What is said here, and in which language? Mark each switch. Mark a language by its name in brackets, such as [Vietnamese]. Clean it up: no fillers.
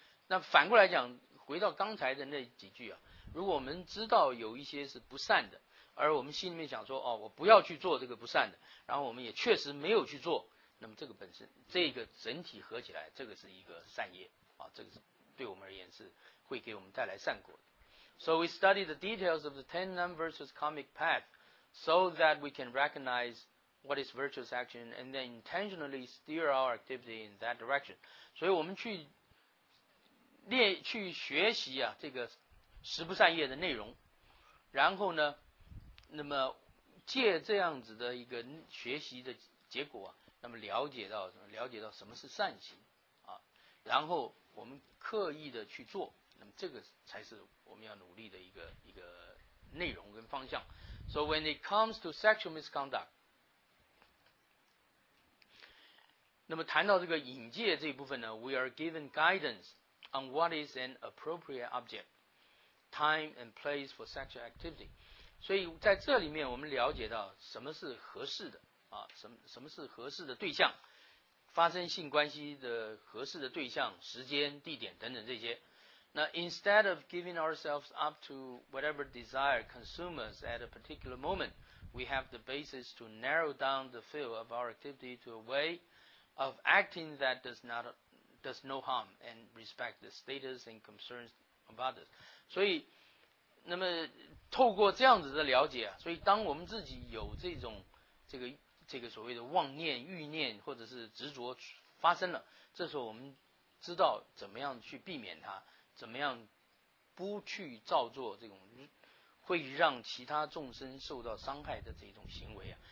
[Chinese] 那反过来讲，回到刚才的那几句啊，如果我们知道有一些是不善的，而我们心里面想说哦，我不要去做这个不善的，然后我们也确实没有去做，那么这个本身这个整体合起来，这个是一个善业啊，这个是对我们而言是会给我们带来善果的。 [English] So we study the details of the 10 non-virtuous karmic path so that we can recognize what is virtuous action and then intentionally steer our activity in that direction. [Chinese] 所以我们去学习啊这个十不善业的内容，然后呢那么借这样子的一个学习的结果啊，那么了解到什么是善行啊，然后我们刻意的去做，那么这个才是我们要努力的一个内容跟方向。 [English] So when it comes to sexual misconduct, [Chinese] 那么谈到这个引戒这一部分呢 [English] ，we are given guidance on what is an appropriate object, time and place for sexual activity。 [Chinese] 所以在这里面，我们了解到什么是合适的啊，什么是合适的对象，发生性关系的合适的对象、时间、地点等等这些。 [English] 那 instead of giving ourselves up to whatever desire consumes at a particular moment, we have the basis to narrow down the field of our activity to a way of acting that does no harm and respect the status and concerns of others. [Chinese] 所以那么透过这样子的了解、啊、所以当我们自己有这种这个所谓的妄念、欲念或者是执着发生了，这时候我们知道怎么样去避免它，怎么样不去造作这种会让其他众生受到伤害的这种行为啊。